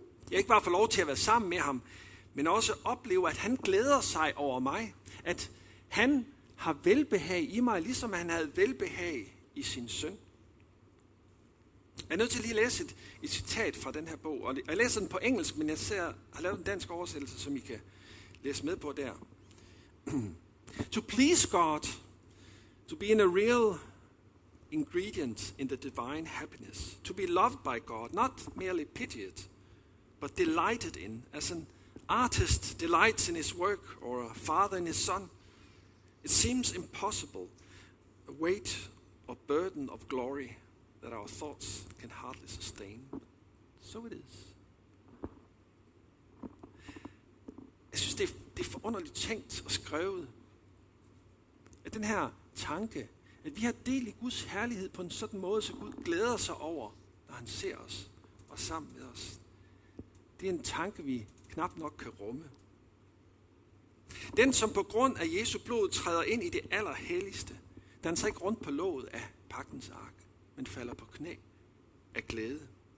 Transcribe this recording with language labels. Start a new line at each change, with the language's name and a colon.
Danish: Jeg ikke bare får lov til at være sammen med ham, men også opleve, at han glæder sig over mig. At han har velbehag i mig, ligesom han havde velbehag i sin søn. Jeg er nødt til lige at læse et citat fra den her bog. Og jeg læser den på engelsk, men jeg har lavet en dansk oversættelse, som I kan læse med på der.
English: To please God, to be in a real ingredient in the divine happiness, to be loved by God, not merely pitied, but delighted in, as an artist delights in his work or a father in his son. It seems impossible, a weight or burden of glory that our thoughts can hardly sustain. So it is.
Danish: Jeg synes, det er forunderligt tænkt og skrevet, at den her tanke, at vi har del i Guds herlighed på en sådan måde, så Gud glæder sig over, når han ser os og sammen med os. Det er en tanke, vi knap nok kan rumme. Den, som på grund af Jesu blod træder ind i det allerhelligste, danser ikke rundt på låget af pagtens ark, men falder på knæ af glæde.